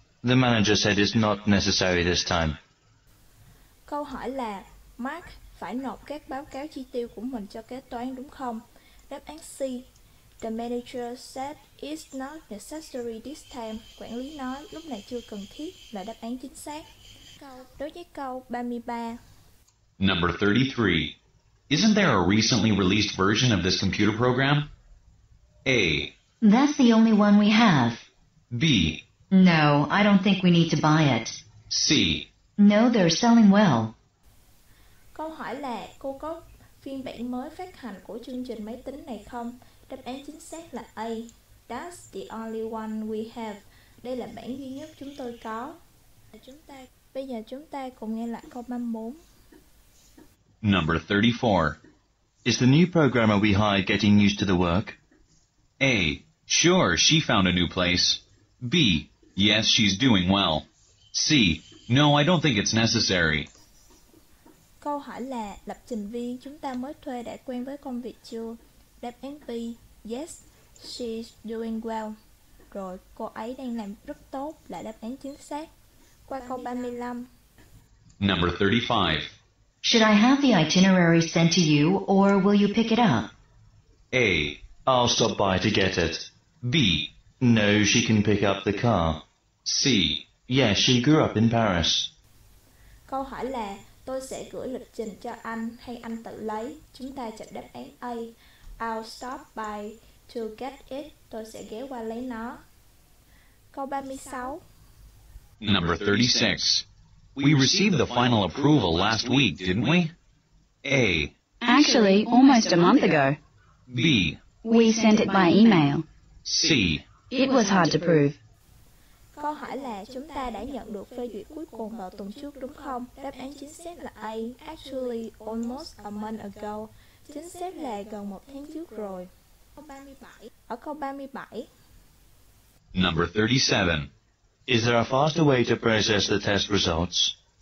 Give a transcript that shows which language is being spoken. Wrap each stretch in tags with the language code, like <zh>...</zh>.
<en>The manager said it's not necessary this time.</en> <vi>Câu hỏi là Mark phải nộp các báo cáo chi tiêu của mình cho kế toán đúng không? Đáp án C.</vi> <en>The manager said it's not necessary this time.</en> <vi>Quản lý nói lúc này chưa cần thiết là đáp án chính xác. Đối với câu 33.</vi> <en>Number 33. Isn't there a recently released version of this computer program? A. That's the only one we have. B. No, I don't think we need to buy it. C. No, they're selling well.</en> <vi>Câu hỏi là cô có phiên bản mới phát hành của chương trình máy tính này không? Đáp án chính xác là A.</vi> <en>That's the only one we have.</en> <vi>Đây là bản duy nhất chúng tôi có. Bây giờ chúng ta cùng nghe lại câu 34.</vi> <en>Number 34. Is the new programmer we hired getting used to the work? A. Sure, she found a new place. B. Yes, she's doing well. C. No, I don't think it's necessary.</en> <vi>Câu hỏi là, lập trình viên chúng ta mới thuê đã quen với công việc chưa? Đáp án B.</vi> <en>Yes, she's doing well.</en> <vi>Rồi, cô ấy đang làm rất tốt là đáp án chính xác. Qua câu 35.</vi> <en>Number 35. Should I have the itinerary sent to you, or will you pick it up? A. I'll stop by to get it. B. No, she can pick up the car. C. Yes, she grew up in Paris.</en> <vi>Câu hỏi là, tôi sẽ gửi lịch trình cho anh hay anh tự lấy? Chúng ta chọn đáp án A.</vi> <en>I'll stop by to get it.</en> <vi>Tôi sẽ ghé qua lấy nó. Câu 36.</vi> <en>Number 36. We received the final approval last week, didn't we? A. Actually, almost a month ago. B. We sent it by email. C. It was hard to prove.</en> <vi>Câu hỏi là chúng ta đã nhận được phê duyệt cuối cùng vào tuần trước đúng không? Đáp án chính xác là A.</vi> <en>Actually, almost a month ago.</en> <vi>Chính xác là gần một tháng trước rồi. Ở câu 37.</vi> <en>Number 37. Is there a faster way to process the test results?</en>